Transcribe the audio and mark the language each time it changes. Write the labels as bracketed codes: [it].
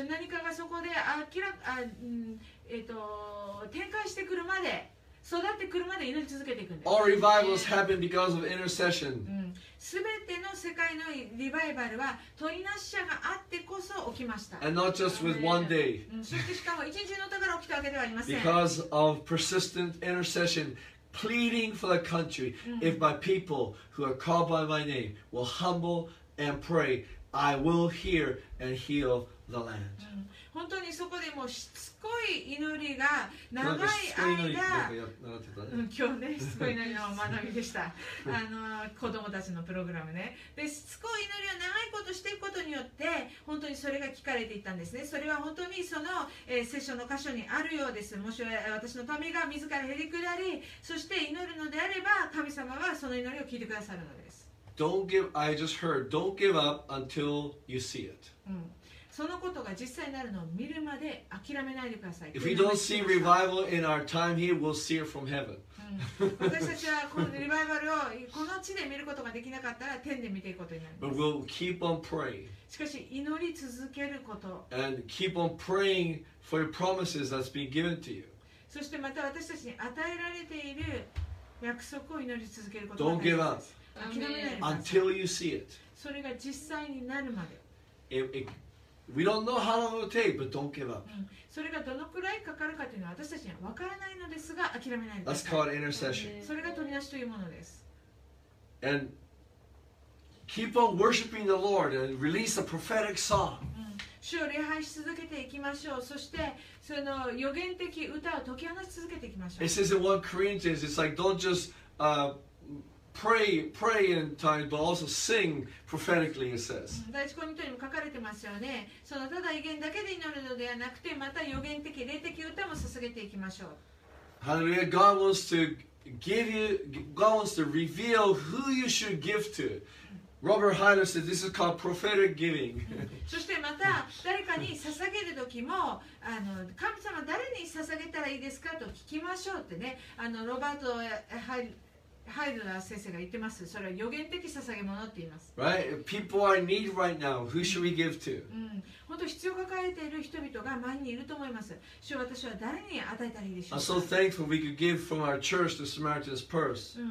[ja] 何かがそこで展開してくるまで、育ってくるまで祈り続けていくんです。 [en] All revivals happen because of intercession. [ja] すべての世界のリバイバルは取りなし者があってこそ起きました。 [en] And not just with one day. [ja] そしてしかも一日のところ起きたわけではありません。 [en] Because of persistent intercession, pleading for the country, if my people who are called by my name will humble and pray, I will hear and heal the land. [ja] 本当にそこでもうしつこい祈りが長い間、習ってたね、今日ね、しつこい祈りの学びでした。子供たちのプログラムね。で、しつこい祈りを長いことしていくことによって、本当にそれが聞かれていたんですね。それは本当にその、聖書の箇所にあるようです。もし私の民が自らへりくだり、そして祈るのであれば、神様はその祈りを聞いてくださるのです。 [en] Don't give, I just heard, don't give up until you see it.、 [ja] うん、そのことが実際になるのを見るまで諦めないでください。 [en] If we don't see revival in our time here, we'll see it from heaven.、 [ja] うん、私たちはこのリバイバルをこの地で見ることができなかったら天で見ていくことになります。 [en] But we'll keep on praying. [ja] しかし祈り続けること。 [en] And keep on praying for your promises that's been given to you. [ja] そしてまた私たちに与えられている約束を祈り続けることが大事です。 [en] Don't give up. [ja] 諦めないでください。 [en] Until you see it. [ja] それが実際になるまで。 [en] We don't know how long it will take, but don't give up. [ja] それがどのくらいかかるかというのは私たちには分からないのですが、諦めないでください。 [en] That's called intercession. [ja] それが取り出しというものです。 [en] And keep on worshiping the Lord and release a prophetic song. [ja] 主を礼拝し続けていきましょう。そしてその予言的歌を解き放ち続けていきましょう。 [en] It says in 1 Corinthians, it's like don't just pray in time, but also sing prophetically. It says. [ja] 第一コリントにも書かれてますよね。そのただ異言だけで祈るのではなくて、また予言的霊的歌も捧げていきましょう。 [en] Hallelujah. God wants to give you. God wants to reveal who you should give to. Robert Heiler said, "This is called prophetic giving." [ja] そしてまた誰かに捧げる時も、神様誰に捧げたらいいですかと聞きましょうってね。ロバートハイドラ先生が言ってます。それは予言的捧げ物って言います。 [en] Right? People are in need right now. Who should we give to? [ja] 本当必要抱えている人々が前にいると思います。主は私は誰に与えたらいいでしょうか。 [en] I'm so thankful we could give from our church the Samaritan's Purse.